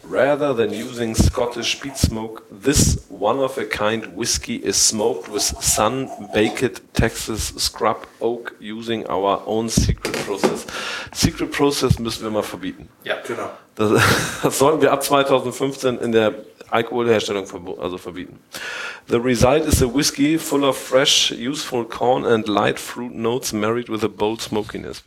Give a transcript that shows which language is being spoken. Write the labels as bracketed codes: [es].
[en] Rather than using Scottish peat smoke, this one-of-a-kind whiskey is smoked with sun-baked Texas scrub oak using our own secret process. Secret process [de] müssen wir mal verbieten. Ja, genau. Das sollten wir ab 2015 in der Alkoholherstellung verbieten. [en] The result is a whiskey full of fresh, useful corn and light fruit notes married with a bold smokiness.